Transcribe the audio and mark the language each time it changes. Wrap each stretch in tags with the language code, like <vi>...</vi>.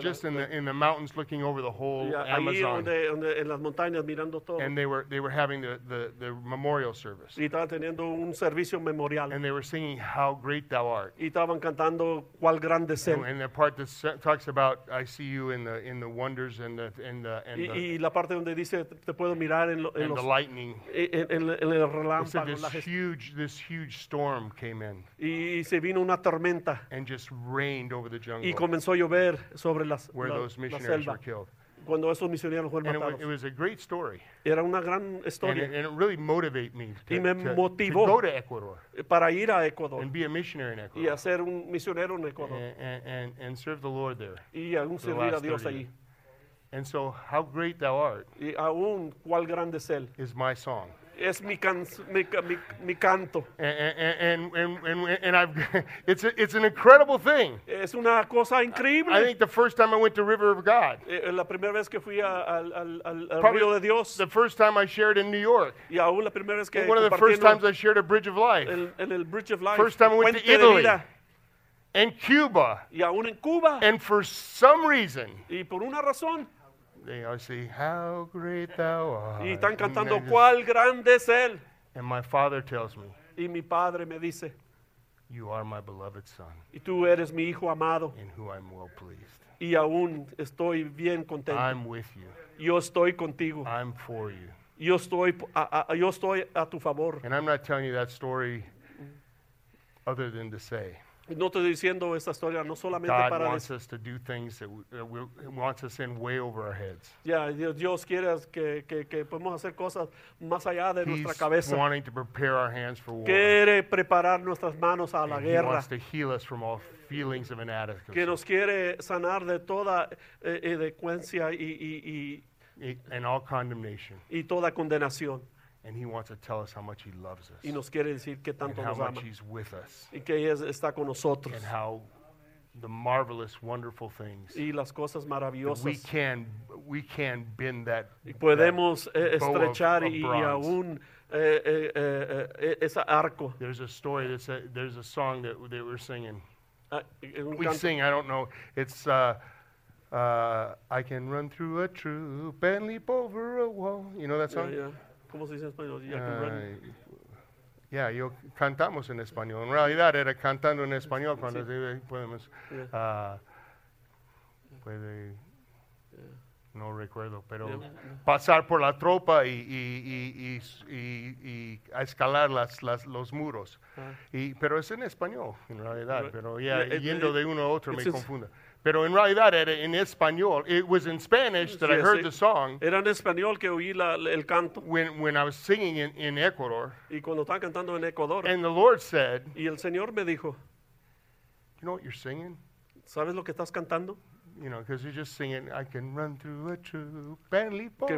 <en>just in the mountains looking over the whole Amazon.</en> <es>Ahí donde, en las montañas, mirando todo.</es> <en>And they were having the memorial service.</en> <es>Y estaban teniendo un servicio memorial.</es> <en>And they were singing How Great Thou Art.</en> <es>Y estaban cantando Cuál Grande Ser.</es> <en>And the part that talks about I see you in the wonders and the</en> <es>y la parte donde dice te puedo mirar en los</es> <en>the lightning.</en> <es>En el relámpago.</es> <en>Said this huge storm came in.</en> <es>Y se vino una tormenta.</es> <en>And just rained over the jungle.</en> <es>Y comenzó a llover sobre las,</es> <en>where</en> <es>la,</es> <en>those missionaries</en> <es>la selva,</es> <en>were killed.</en> <es>Cuando esos misioneros fueron</es> <en>and</en> <es>matados.</es> <en>It was a great story.</en> <es>Era una gran historia.</es> <en>And it really motivated me,</en> <es>me motivó</es> <en>to go to Ecuador.</en> <es>Para ir a Ecuador.</es> <en>And be a missionary in Ecuador.</en> <es>Y hacer un misionero en Ecuador.</es> <en>And serve the Lord there.</en> <es>Y aún servir a Dios allí.</es> <en>And so, How Great Thou Art.</en> <es>Y aún, cuál grande es él.</es> <en>Is my song.</en> <es>Es mi canto.</es> <en>And I've it's an incredible thing.</en> <es>Es una cosa increíble.</es> <en>I think the first time I went to River of God.</en> <es>La primera vez que fui al río de Dios.</es> <en>The first time I shared in New York.</en> <es>Y aún la primera vez que</es> <en>one of the first times I shared a Bridge of Life.</en> <es>El Bridge of Life.</es> <en>First time I went to Italy. And Cuba.</en> <es>Y aún en Cuba.</es> <en>And for some reason.</en> <es>Y por una razón.</es> <en>They all say, How great thou art.</en> <es>Y están cantando, ¿cuál grande es él?</es> <en>And my father tells me,</en> <es>y mi padre me dice,</es> <en>you are my beloved son.</en> <es>Y tú eres mi hijo amado.</es> <en>In whom I'm well pleased.</en> <es>Y aún estoy bien contento.</es> <en>I'm with you.</en> <es>Yo estoy contigo.</es> <en>I'm for you.</en> <es>Yo estoy a tu favor.</es> <en>And I'm not telling you that story other than to say,</en> <es>no estoy diciendo esta historia no solamente</es> <en>God</en> <es>para</es> <en>wants us to do things that wants us in way over our heads.</en> <es>Yeah, Dios quiere que podemos hacer cosas más allá de</es> <en>He's</en> <es>nuestra cabeza.</es> <en>He's wanting to prepare our hands for war.</en> <es>Quiere preparar nuestras manos a</es> <en>and</en> <es>la</es> <en>he</en> <es>guerra.</es> <en>He wants to heal us from all feelings of inadequacy.</en> <es>Que nos quiere sanar de toda elocuencia y</es> <en>and all condemnation.</en> <es>Y toda condenación.</es> <en>And he wants to tell us how much he loves us.</en> <es>Y nos quiere decir qué tanto</es> <en>and how</en> <es>nos</es> <en>much</en> <es>ama.</es> <en>He's with us.</en> <es>Y que está con nosotros.</es> <en>And how the marvelous, wonderful things.</en> <es>Y las cosas maravillosas.</es> <en>That we can bend that.</en> <es>Y podemos</es> <en>that</en> <es>estrechar</es> <en>bow of</en> <es>y aún esa arco.</es> <en>There's a story. There's a song that they were singing. We sing. I don't know. It's I can run through a troop and leap over a wall. You know that song? Yeah, yeah.</en> <es>Yo cantamos en español. En realidad era cantando en español cuando sí. Podemos. Yeah. No recuerdo, pero pasar por la tropa y escalar los muros. Uh-huh. Pero es en español, en realidad. Pero ya yendo de uno a otro me confunda. Pero en realidad era en español.</es> <en>It was in Spanish that I heard the song.</en> <es>Era en español que oí el canto.</es> <en>When I was singing in Ecuador.</en> <es>Y cuando estaba cantando en Ecuador.</es> <en>And the Lord said.</en> <es>Y el Señor me dijo.</es> <en>You know what you're singing?</en> <es>¿Sabes lo que estás cantando?</es> <en>You know, because you're just singing, I can run through a troop and leap over.</en>